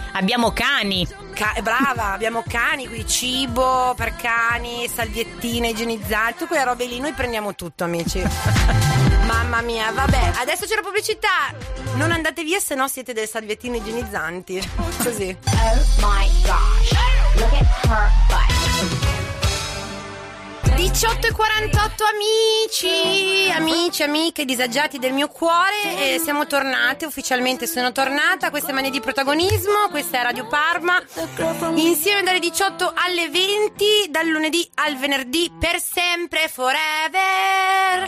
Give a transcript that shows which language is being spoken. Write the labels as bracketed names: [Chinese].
[Italian] Abbiamo cani. Brava, abbiamo cani, quindi cibo per cani, salviettine igienizzate, tutte quelle robe lì, noi prendiamo tutto, amici. Mamma mia, vabbè, adesso c'è la pubblicità. Non andate via, se no siete delle salviettine igienizzanti. Così. [English] Oh my gosh, look at her butt. [Italian] 18:48, amici, amici, amiche, disagiati del mio cuore, e siamo tornate, ufficialmente sono tornata. Questa è Mani di Protagonismo, questa è Radio Parma. Insieme dalle 18 alle 20, dal lunedì al venerdì, per sempre, forever.